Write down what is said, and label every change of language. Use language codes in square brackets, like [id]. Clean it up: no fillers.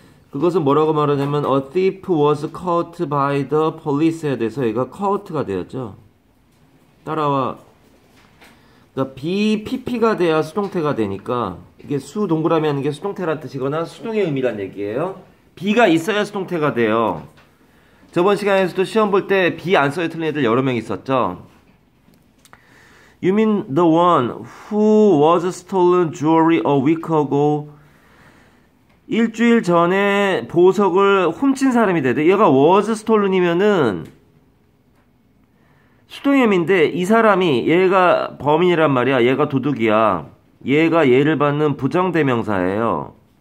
[ko] 그것은 뭐라고 말하냐면 [en] A thief was caught by the police [ko] 에 대해서 얘가 caught가 되었죠. 따라와. 그러니까 BPP가 돼야 수동태가 되니까 이게 수 동그라미 하는 게 수동태란 뜻이거나 수동의 의미란 얘기예요. B가 있어야 수동태가 돼요. 저번 시간에서도 시험 볼 때 B 안 써야 틀린 애들 여러 명 있었죠. [en] You mean the one who was stolen jewelry a week ago? [ko] 일주일 전에 보석을 훔친 사람이 돼야 돼. 얘가 was stolen이면은 수동의 의미인데 이 사람이 얘가 범인이란 말이야. 얘가 도둑이야. 얘가 예를 받는 부정대명사예요.